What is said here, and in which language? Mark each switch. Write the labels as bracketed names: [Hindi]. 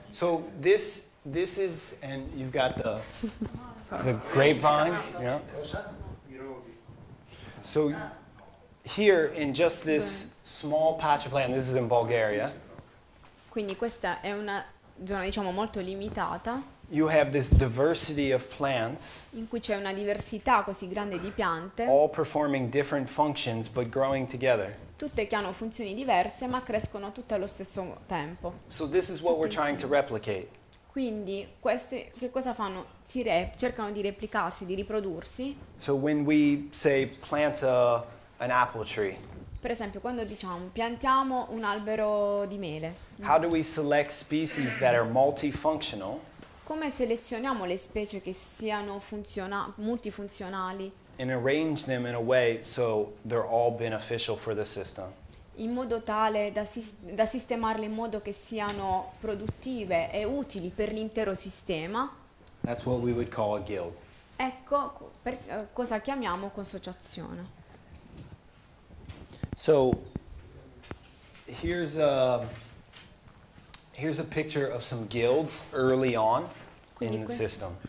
[English] So this is, and you've got the grapevine, yeah. So here in just this small patch of land, this is in Bulgaria. [Italian] Quindi questa è una zona, diciamo, molto limitata. [English] You have this diversity of plants. [Italian] In cui c'è una diversità così grande di piante. [English] All performing different functions, but growing together. [Italian] Tutte che hanno funzioni diverse, ma crescono tutte allo stesso tempo. [English] So this is what we're trying to replicate. [Italian] Quindi queste che cosa fanno? Cercano di replicarsi, di riprodursi. [English] So when we say plant an apple tree. [Italian] Per esempio, quando diciamo piantiamo un albero di mele. [English] How do we select species that are multifunctional? [Italian] Come selezioniamo le specie che siano multifunzionali? [English] And arrange them in a way so they're all beneficial for the system. [Italian] In modo tale da sistemarle in modo che siano produttive e utili per l'intero sistema. [English] That's what we would call a guild. [Italian] Ecco cosa chiamiamo consociazione. [English] So here's a picture of some guilds early on in the system.